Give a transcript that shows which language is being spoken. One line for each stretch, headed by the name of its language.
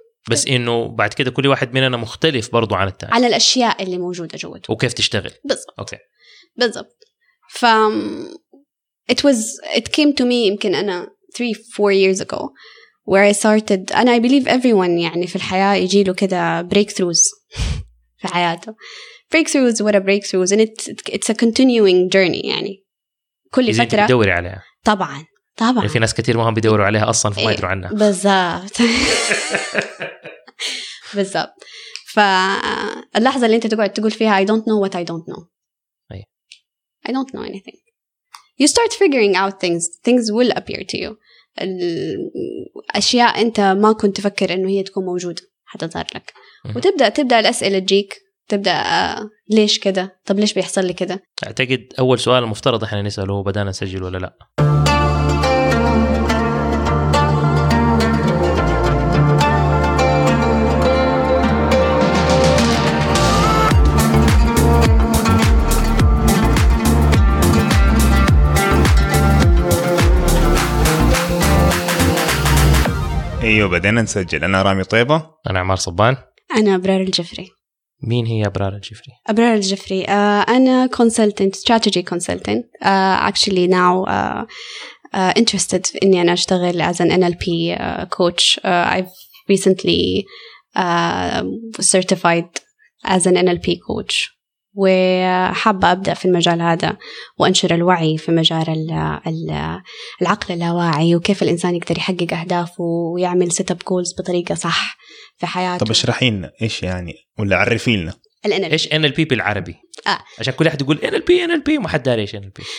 Arabic: بس إنه بعد كده كل واحد مننا مختلف برضو عن التاني على الأشياء اللي موجودة جوته وكيف تشتغل بالضبط. أوكي. بالضبط.
English: ف it came to me
Arabic: يمكن أنا
English: 3-4 years ago where I started and I believe everyone
Arabic: يعني في الحياة يجي له كده
English: breakthroughs في حياته. Breakthroughs what a breakthroughs and it's a continuing journey
Arabic: يعني كل فترة تدوري عليها. طبعا طبعا في ناس كتير مهم بيدوروا عليها أصلا فما يدروا عنها. بالضبط. بالضبط. فاللحظة اللي أنت تقعد تقول فيها
English: I don't know what I don't know.
Arabic: أي.
English: I don't know anything. You start figuring out things. Things will appear to you.
Arabic: الأشياء أنت ما كنت تفكر إنه هي تكون موجودة حتظهر لك. وتبدأ الأسئلة تجيك. تبدأ ليش كده؟ طب ليش بيحصل لي كده؟ أعتقد أول سؤال المفترض إحنا نسأله هو بدأنا نسجل ولا لا؟ أيوه بدأنا نسجل. أنا رامي طيبة. أنا عمار صبان. أنا أبرار الجفري. مين هي أبرار الجفري؟
English: أبرار الجفري أنا consultant, strategy consultant. Actually now interested
Arabic: إني أنا أشتغل
English: as an NLP coach. I've recently certified as an NLP coach.
Arabic: وحابة أبدأ في المجال هذا وأنشر الوعي في مجال العقل اللاواعي وكيف الإنسان يقدر يحقق أهدافه ويعمل
English: set up goals
Arabic: بطريقة صح في حياته. طب اشرحي لنا إيش يعني ولا عرفي لنا
English: NLP.
Arabic: إيش NLP بالعربي؟ عشان كل أحد يقول NLP NLP ما حد داري إيش NLP.